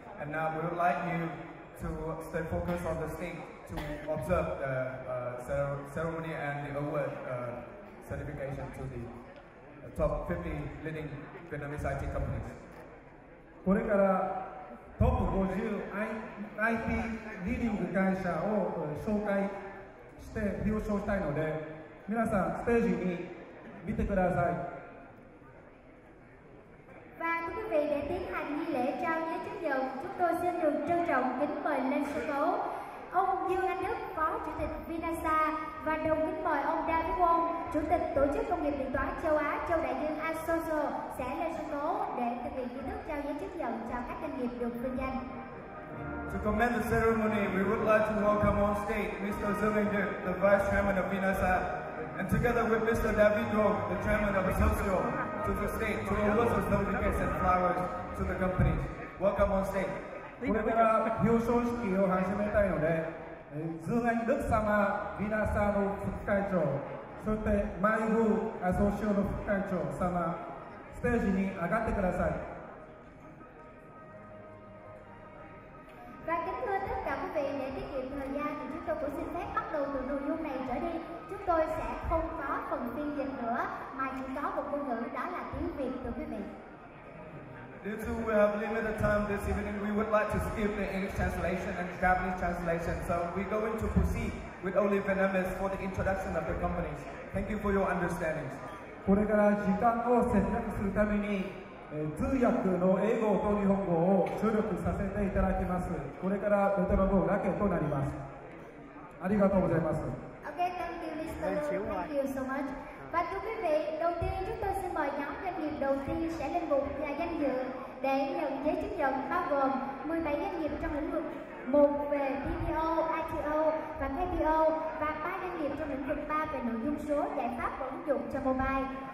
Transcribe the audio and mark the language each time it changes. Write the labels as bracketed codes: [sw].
[en] And now we would like you to stay focused on the stage to observe the ceremony and the award certification to the top 50 leading Vietnamese IT companies. [ja] これからトップ50 IT リーディング会社を紹介して表彰したいので、皆さんステージに見てください。 [vi] và thưa quý vị, để tiến hành nghi lễ trao giấy chứng nhận, chúng tôi xin được trân trọng kính mời lên sân khấu ông Dương Anh Đức, Phó Chủ tịch Vinasa, và đồng kính mời ông David Wong, Chủ tịch Tổ chức Công nghiệp Điện toán Châu Á, Châu Đại Dương Asoso sẽ lên sân khấu để thực hiện nghi thức trao giấy chứng nhận cho các doanh nghiệp được vinh danh. [en] To commence the ceremony, we would like to welcome on stage Mr. Dương Anh Đức, the Vice Chairman of Vinasa, and together with Mr. David Wong, the Chairman of Asoso, to the stage to award the certificates and flowers to the company. Welcome on stage. [ja] これから表彰式を始めたいので、ズーガン・ルク様、ヴィナサーの副会長、そしてマイブー・アソシオの副会長様、ステージに上がってください。 [vi] và kính thưa tất cả quý vị, để tiết kiệm thời gian thì chúng tôi cũng xin phép bắt đầu từ nội dung này trở đi. Chúng tôi sẽ không có phần phiên dịch nữa, mà chỉ có một ngôn ngữ, đó là tiếng Việt, thưa quý vị. [en] Due to we have limited time this evening, we would like to skip the English translation and Japanese translation. So we're going to proceed with only Vietnamese for the introduction of the companies. Thank you for your understanding. [ja] これから時間を節約するために、通訳の英語と日本語を省略させていただきます。これからベトナム語だけとなります。ありがとうございます。 [en] Okay, thank you, Mr. Thank you so much. [vi] Và thưa quý vị, đầu tiên chúng tôi xin mời nhóm doanh nghiệp đầu tiên sẽ lên bục và danh dự để nhận giấy chứng nhận, bao gồm 17 doanh nghiệp trong lĩnh vực 1 về PPO, ITO và PPO và 3 doanh nghiệp trong lĩnh vực 3 về nội dung số, giải pháp và ứng dụng cho mobile.